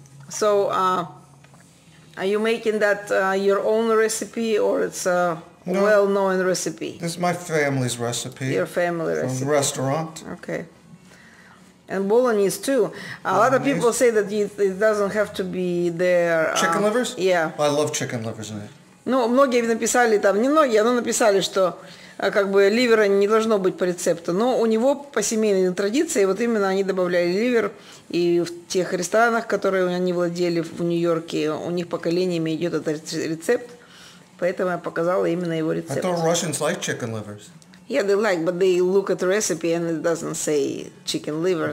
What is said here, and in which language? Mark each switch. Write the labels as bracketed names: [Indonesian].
[English] So, are you making that your own recipe or it's a well-known recipe? This is my family's recipe. Your family from recipe. From restaurant. Okay. And bolognese too. A lot of people say that it doesn't have to be there. Chicken livers? Yeah. I love chicken livers in it. [Russian] Ну, многие написали там, не многие, но написали, что как бы ливера не должно быть по рецепту. Но у него по семейной традиции, вот именно они добавляли ливер. И в тех ресторанах, которые они владели в Нью-Йорке, у них поколениями идет этот рецепт. Поэтому я показала именно его рецепт. [English] I thought Russians like chicken livers. Yeah, they like, but they look at the recipe and it doesn't say chicken liver.